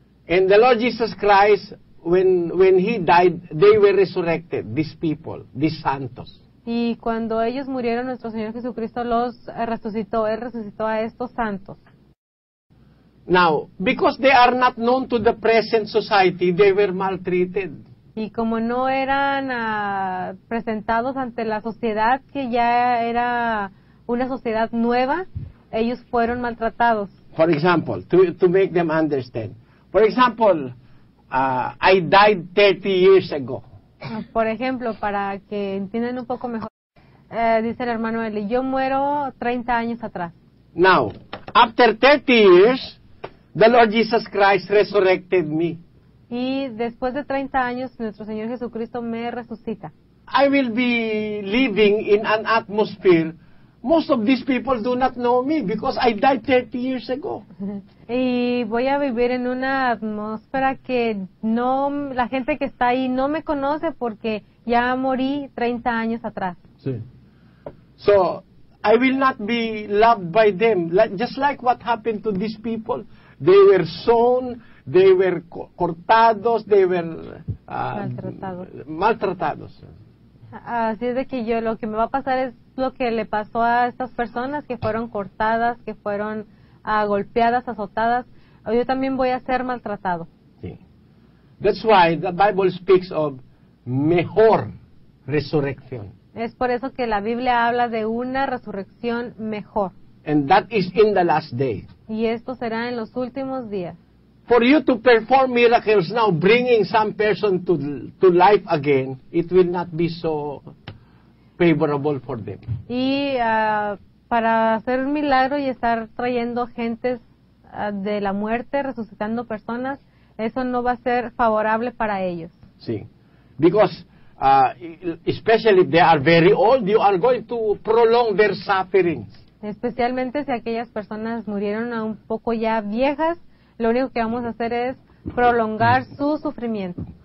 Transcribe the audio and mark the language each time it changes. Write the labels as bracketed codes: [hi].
[en] And the Lord Jesus Christ, when he died, they were resurrected, these people, these santos. [es] Y cuando ellos murieron, nuestro Señor Jesucristo los resucitó, Él resucitó a estos santos. [en] Now, because they are not known to the present society, they were maltreated. [es] Y como no eran presentados ante la sociedad, que ya era una sociedad nueva, ellos fueron maltratados. [en] For example, to make them understand. For example, I died 30 years ago. [es] Por ejemplo, para que entiendan un poco mejor, dice el hermano Eli, yo muero 30 años atrás. [en] Now, after 30 years, the Lord Jesus Christ resurrected me. [es] Y después de 30 años, nuestro Señor Jesucristo me resucita. [en] I will be living in an atmosphere. Most of these people do not know me because I died 30 years ago. [es] Y voy a vivir en una atmósfera que no, la gente que está ahí no me conoce porque ya morí 30 años atrás. Sí. [en] So, I will not be loved by them. Like, just like what happened to these people. They were sown. They were [es] cortados, [en] they were [es] maltratados. Así es de que yo, lo que me va a pasar es lo que le pasó a estas personas que fueron cortadas, que fueron golpeadas, azotadas. Yo también voy a ser maltratado. Sí. [en] That's why the Bible speaks of [es] mejor resurrección. Es por eso que la Biblia habla de una resurrección mejor. [en] And that is in the last day. [es] Y esto será en los últimos días. [en] For you to perform miracles now, bringing some person to life again, it will not be so favorable for them. [es] Y para hacer un milagro y estar trayendo gentes de la muerte, resucitando personas, eso no va a ser favorable para ellos. Sí, [en] because especially if they are very old, you are going to prolong their sufferings. [es] Especialmente si aquellas personas murieron a un poco ya viejas, lo único que vamos a hacer es prolongar su sufrimiento.